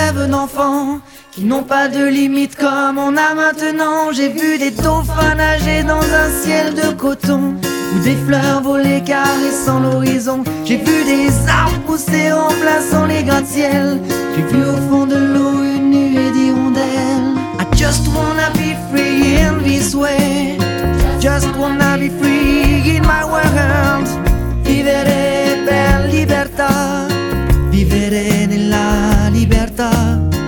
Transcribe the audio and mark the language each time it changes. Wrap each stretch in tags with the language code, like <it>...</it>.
<fr>D'enfants qui n'ont pas de limites comme on a maintenant. J'ai vu des dauphins nager dans un ciel de coton, où des fleurs volaient caressant l'horizon. J'ai vu des arbres pousser remplaçant les gratte-ciel. J'ai vu au fond de l'eau une nuée d'hirondelles.</fr> <en>I just wanna be free in this way. Just wanna be free in my world.</en> <it>Vivere per libertà, vivere nella libertà.</it>